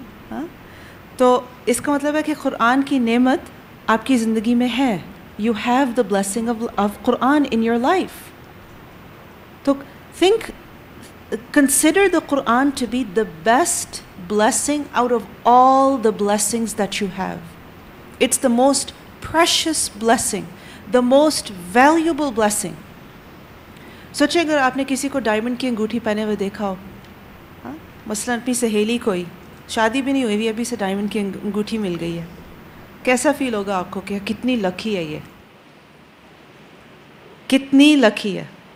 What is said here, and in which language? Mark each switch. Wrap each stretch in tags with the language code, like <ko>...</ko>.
<hi>हाँ, तो इसका मतलब है कि कुरान की नेमत आपकी ज़िंदगी में है.</hi> <en>You have the blessing of Quran in your life. तो think, consider the Quran to be the best blessing out of all the blessings that you have. It's the most precious blessing, the most valuable blessing.</en> <hi>सोचिए, अगर आपने किसी को diamond की अंगूठी पहने हुए देखा हो, मसलन अपनी सहेली कोई, शादी भी नहीं हुई भी, अभी से डायमंड की अंगूठी मिल गई है, कैसा फील होगा आपको कि कितनी लकी है ये, कितनी लकी है.</hi>